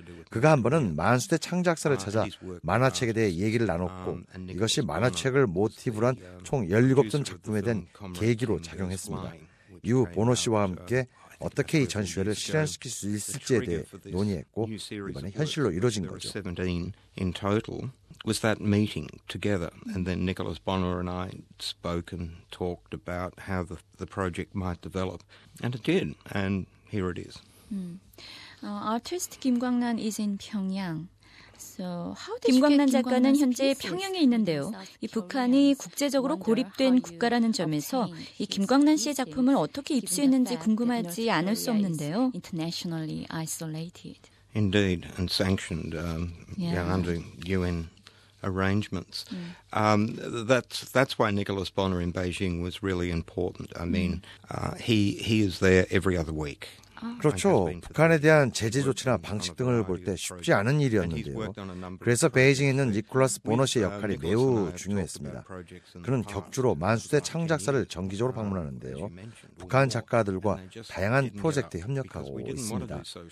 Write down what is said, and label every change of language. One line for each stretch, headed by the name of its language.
Korean: 그가 한 번은 만수대 창작사를 찾아 만화책에 대해 얘기를 나눴고 이것이 만화책을 모티브로 한 총 17점 작품에 대한 계기로 작용했습니다. 이후 보너 씨와 함께 어떻게 이 전시회를 실현시킬 수 있을지에 대해 논의했고 이번에 현실로 이루어진 거죠.
English: 17 in total was that meeting together and then Nicholas Bonner and I spoke and talked about how the project might develop and it did and here it is. Artist 김광란 is in Pyongyang.
Korean: So, 김광란 작가는 현재 평양에 있는데요. 이 북한이 국제적으로 고립된 국가라는 점에서 이 김광란 씨의 작품을 어떻게 입수했는지 궁금하지 않을 수 없는데요.
English: Internationally isolated. Indeed, and sanctioned under UN arrangements. That's why Nicholas Bonner in Beijing was really important. I mean, he is there every other week.
Korean: 그렇죠. 북한에 대한 제재 조치나 방식 등을 볼 때 쉽지 않은 일이었는데요. 그래서 베이징에 있는 니콜라스 보너 씨의 역할이 매우 중요했습니다. 그는 격주로 만수대 창작사를 정기적으로 방문하는데요. 북한 작가들과 다양한 프로젝트에 협력하고 있습니다.